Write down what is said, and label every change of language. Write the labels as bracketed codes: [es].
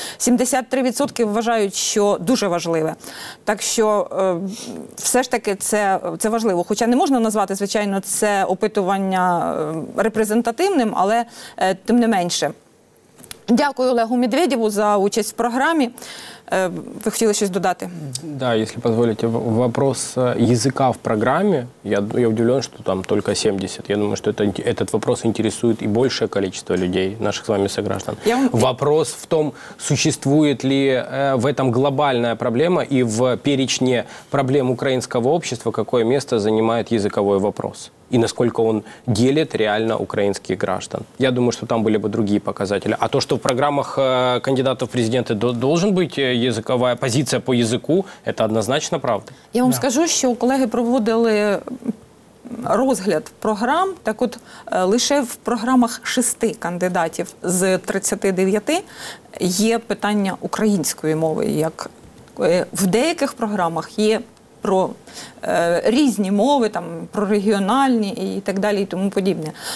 [uk] 73% вважають, що дуже важливе. Так що, все ж таки, це важливо. Хоча не можна назвати, звичайно, це опитування репрезентативним, але тим не менше. Дякую Олегу Медведєву за участь в програмі. [ru] Вы хотели что-то [uk] додати? [ru] Да, если позволите, вопрос языка в программе. Я удивлен, что там только 70. Я думаю, что этот вопрос интересует и большее количество людей, наших с вами сограждан. Вопрос в том, существует ли в этом глобальная проблема и в перечне проблем украинского общества, какое место занимает языковой вопрос. И насколько он делит реально украинских граждан. Я думаю, что там были бы другие показатели. А то, что в программах кандидатов в президенты должен быть языковая позиция по языку, это однозначно правда. Я вам скажу, что коллеги проводили [uk] розгляд програм, так от лише в програмах 6 кандидатів з 39 є питання української мови, як в деяких програмах є про різні мови, там, про регіональні і так далі, і тому подібне.